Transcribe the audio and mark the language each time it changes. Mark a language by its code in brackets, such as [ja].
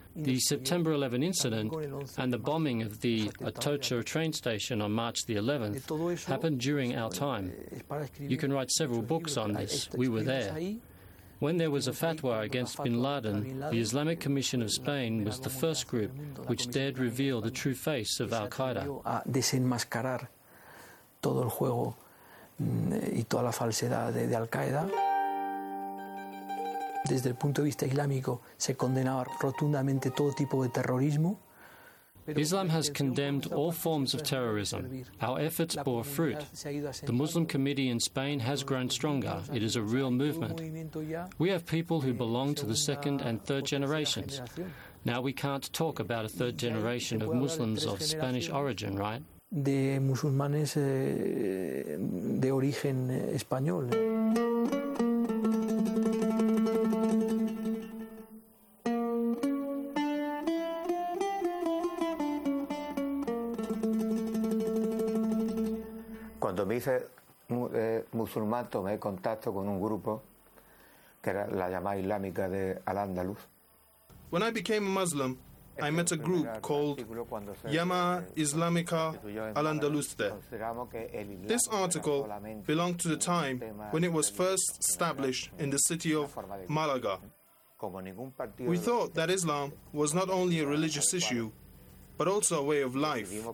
[en] The September 11 incident and the bombing of the Atocha train station on March the 11th happened during our time. You can write several books on this. We were there. When there was a fatwa against Bin Laden, the Islamic Commission of Spain was the first group which dared reveal the true face of Al-Qaeda. [es] A desenmascarar todo el juego y toda la falsedad de Al-Qaeda. Desde el punto de vista islámico, se condenaba rotundamente todo tipo de terrorismo. [en] Islam has condemned all forms of terrorism. Our efforts bore fruit. The Muslim Committee in Spain has grown stronger. It is a real movement. We have people who belong to the second and third generations. Now we can't talk about a third generation of Muslims of Spanish origin, right? [es] De musulmanes de origen español. Cuando me hice musulmán, tomé contacto con un grupo que era la llamada islámica de Al-Andalus. [en] When I became a Muslim, I met a group called Llama Islámica Al-Andaluste. This article belonged to the time when it was first established in the city of Málaga. We thought that Islam was not only a religious issue, but also a way of life.